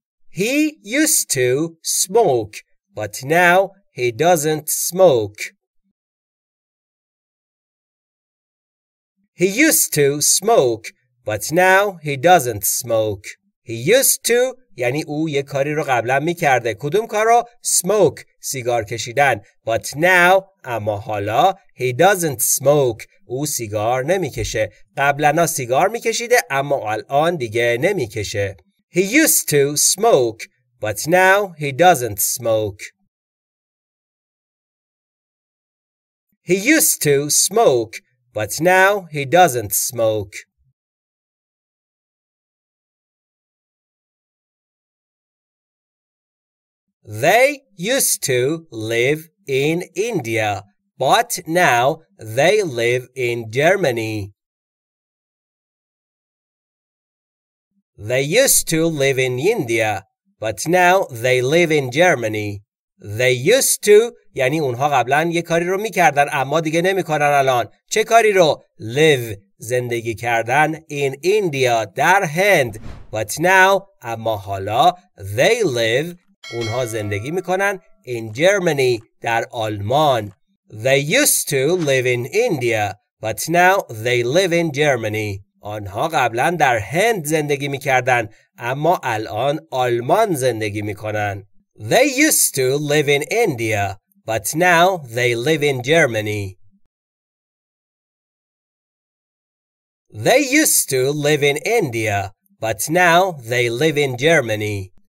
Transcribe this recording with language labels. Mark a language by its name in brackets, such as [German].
[English] He used to smoke, but now he doesn't smoke. He used to smoke, but now he doesn't smoke. He used to, [Persian] یعنی او یک کاری رو قبلا می کرده. کدوم کار رو؟ Smoke, سیگار کشیدن. [English] But now, [Persian] اما حالا, [English] he doesn't smoke. [Persian] او سیگار نمی کشه. قبلنا سیگار می کشیده, اما الان دیگه نمی کشه. [English] He used to smoke, but now he doesn't smoke. He used to smoke, but now he doesn't smoke. They used to live in India, but now they live in Germany. They used to live in India, but now they live in Germany. They used to, [Persian] یعنی اونها قبلا یه کاری رو میکردن اما دیگه نمیکنن الان. چه کاری رو؟ Live, زندگی کردن in India, در هند. [English] But now, [Persian] اما حالا, they live, اونها زندگی میکنن in Germany, در آلمان. [English] They used to live in India, but now they live in Germany. [Persian] آنها قبلا در هند زندگی میکردن اما الان آلمان زندگی میکنن. [English] They used to live in India, but now they live in Germany. They used to live in India, but now they live in Germany.